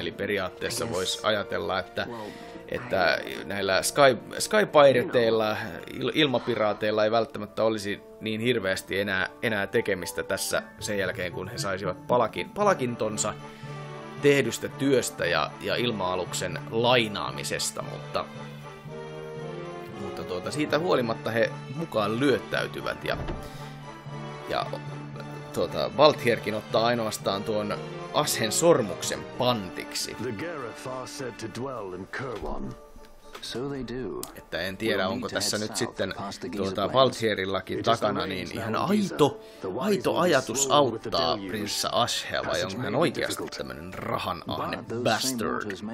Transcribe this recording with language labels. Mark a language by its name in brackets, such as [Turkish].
[Finnish] Eli periaatteessa voisi ajatella, että näillä Skypirateilla, ilmapiraateilla ei välttämättä olisi niin hirveästi enää tekemistä tässä sen jälkeen, kun he saisivat palkintonsa tehdystä työstä ja ilma-aluksen lainaamisesta, mutta siitä huolimatta he mukaan lyöttäytyvät ja tota, Valtierkin ottaa ainoastaan tuon Ashen sormuksen pantiksi. [English] The Gareth are said to dwell in Kerwan. So they do. [Finnish] Että en tiedä, onko tässä nyt sitten tuota Valtierillakin takana niin ihan aito ajatus auttaa prinssa Ashea, vai onko hän oikeasti tämmönen rahan ahne bastard.